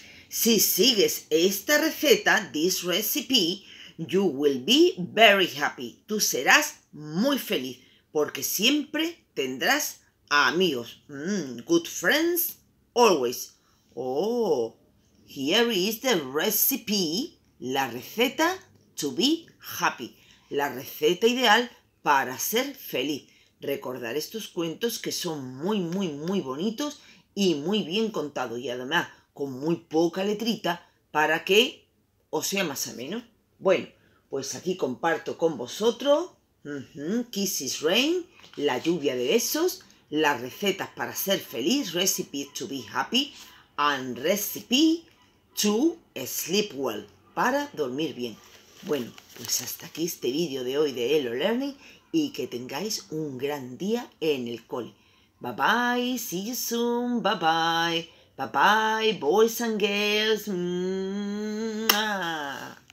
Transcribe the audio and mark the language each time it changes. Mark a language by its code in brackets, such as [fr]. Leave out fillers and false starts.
[es] Si sigues esta receta, [en] this recipe, you will be very happy. [es] Tú serás muy feliz porque siempre tendrás amigos. [en] Good friends always. Oh, here is the recipe, [es] la receta [en] to be happy. [es] La receta ideal para ser feliz. Recordar estos cuentos que son muy, muy, muy bonitos y muy bien contados y además con muy poca letrita, para que os sea más ameno. Bueno, pues aquí comparto con vosotros Kisses Rain, la lluvia de besos, las recetas para ser feliz, [en] recipe to be happy, and recipe to sleep well, [es] para dormir bien. Bueno, pues hasta aquí este vídeo de hoy de Elo Learning, y que tengáis un gran día en el cole. [en] Bye bye, see you soon, bye bye. Bye-bye, boys and girls. Mwah.